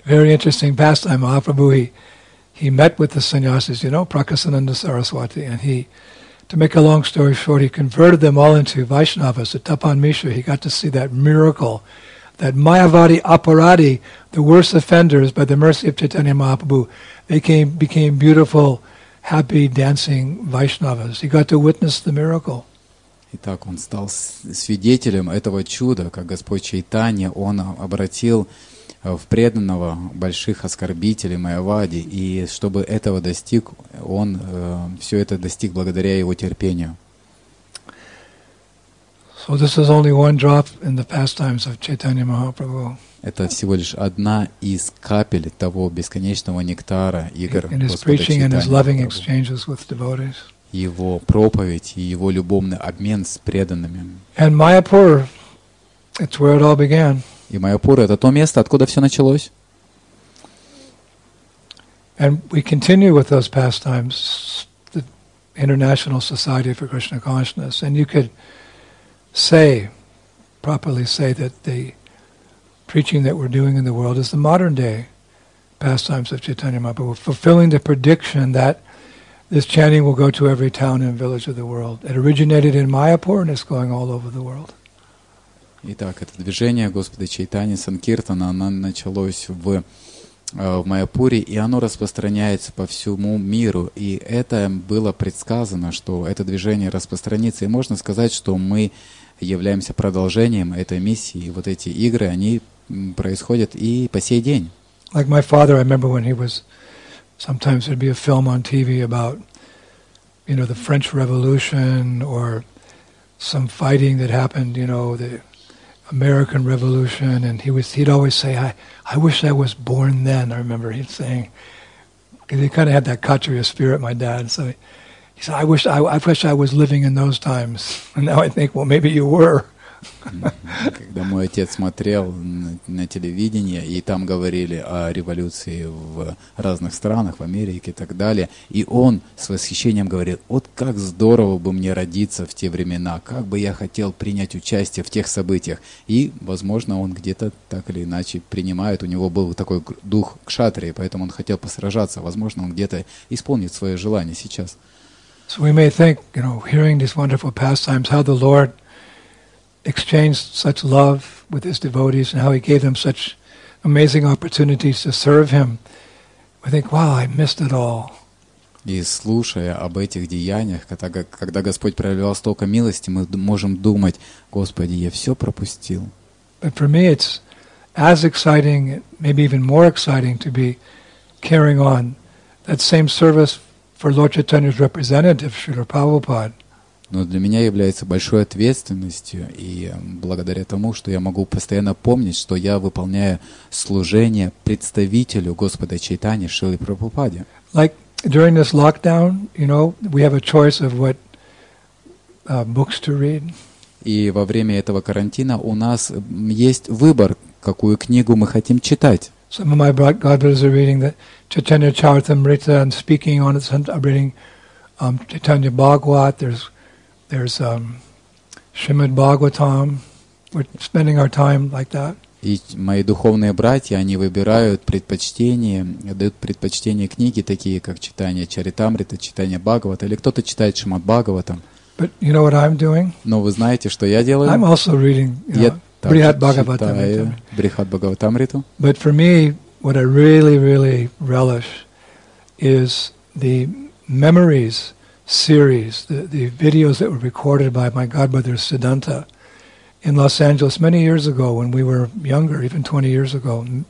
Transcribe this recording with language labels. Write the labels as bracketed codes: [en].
[en] Very interesting pastime. Mahaprabhu, he met with the sannyasis, you know, Prakasananda Saraswati, and he To make a long story short, he converted them all into Vaishnavas, the Tapan Misha. He got to see that miracle, that Mayavadi Aparadi, the worst offenders, by the mercy of Chaitanya Mahaprabhu, they became beautiful, happy, dancing Vaishnavas. He got to witness the miracle. [ru] И так он стал свидетелем этого чуда, как Господь Чайтанья, он обратил в преданного больших оскорбителей Майавади, и чтобы этого достиг, он все это достиг благодаря его терпению. [en] So this is only one drop in the pastimes of Chaitanya Mahaprabhu. [ru] Это всего лишь одна из капель того бесконечного нектара игр [en] in his preaching and his loving exchanges with devotees. [ru] Его проповедь и его любовный обмен с преданными. [en] And Mayapur, it's where it all began. [ru] И Майяпур — это то место, откуда все началось. [en] And we continue with those pastimes, the International Society for Krishna Consciousness. And you could say, properly say, that the preaching that we're doing in the world is the modern day pastimes of Chaitanya Mahaprabhu, fulfilling the prediction that this chanting will go to every town and village of the world. It originated in Mayapur and it's going all over the world. [ru] Итак, это движение Господа Чайтани Санкиртана, оно началось в Майяпуре, и оно распространяется по всему миру. И это было предсказано, что это движение распространится. И можно сказать, что мы являемся продолжением этой миссии. И вот эти игры, они происходят и по сей день. [en] Like my father, I remember when he was... Sometimes there'd be a film on TV about, you know, the French Revolution or some fighting that happened, you know, the American Revolution, and he'd always say, I wish I was born then, I remember he'd saying, because he kind of had that Kshatriya spirit, my dad, so he said, I wish I was living in those times, and now I think, well, maybe you were. [ru] Когда мой отец смотрел на телевидение, и там говорили о революции в разных странах, в Америке и так далее, и он с восхищением говорил, вот как здорово бы мне родиться в те времена, как бы я хотел принять участие в тех событиях. И, возможно, он где-то так или иначе принимает, у него был такой дух кшатрии, поэтому он хотел посражаться, возможно, он где-то исполнит свое желание сейчас. [en] So we may think, you know, hearing these wonderful pastimes, how the Lord exchanged such love with his devotees and how he gave them such amazing opportunities to serve him. We think, wow, I missed it all. [ru] И слушая об этих деяниях, когда Господь проявлял столько милости, мы можем думать, Господи, я все пропустил. [en] But for me it's as exciting, maybe even more exciting, to be carrying on that same service for Lord Chaitanya's representative, Srila Prabhupada. [ru] Но для меня является большой ответственностью, и благодаря тому, что я могу постоянно помнить, что я выполняю служение представителю Господа Чайтани Шрилы Прабхупаде. [en] Like during this lockdown, you know, we have a choice of what books to read. [ru] И во время этого карантина у нас есть выбор, какую книгу мы хотим читать. [en] Some of my godbrothers are reading the Chaitanya Charitamrita and speaking on it. Some are reading Chaitanya Bhagavat. There's Shrimad Bhagavatam. We're spending our time like that. [ru] И мои духовные братья, они выбирают предпочтение, дают предпочтение книги такие, как читание Чаритамриты, читание Бхагавата, или кто-то читает Шримад Бхагаватам. [en] But you know what I'm doing? [ru] Но вы знаете, что я делаю? [en] I'm also reading [ru] Брихат Бхагаватамриту. Брихат Бхагаватамриту. [en] But for me, what I really, really relish is the memories series, the videos that were recorded by my godbrother Siddhanta in Los Angeles many years ago when we were younger, even 20 years ago.